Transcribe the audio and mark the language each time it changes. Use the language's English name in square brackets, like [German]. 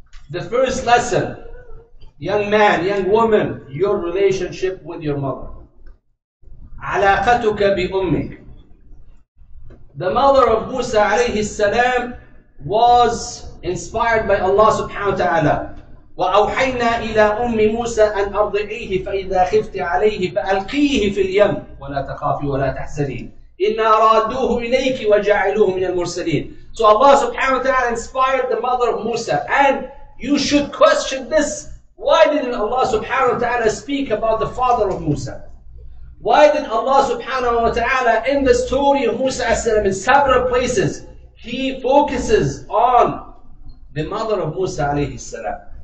[English] The first lesson, young man, young woman, your relationship with your mother. [Arabic] علاقتك بأمك. [English] The mother of Musa alayhi salam was inspired by Allah subhanahu wa ta'ala. [Arabic] وأوحينا إلى أم موسى أن أرضعيه فإذا خفت عليه فألقيه في اليم ولا تخافي ولا تحزني إنا رادوه إليك وجعلوه من المرسلين. [English] So Allah subhanahu wa ta'ala inspired the mother of Musa. And you should question this. Why didn't Allah subhanahu wa ta'ala speak about the father of Musa? Why did Allah subhanahu wa ta'ala in the story of Musa as-salam in several places, he focuses on the mother of Musa alayhi salam?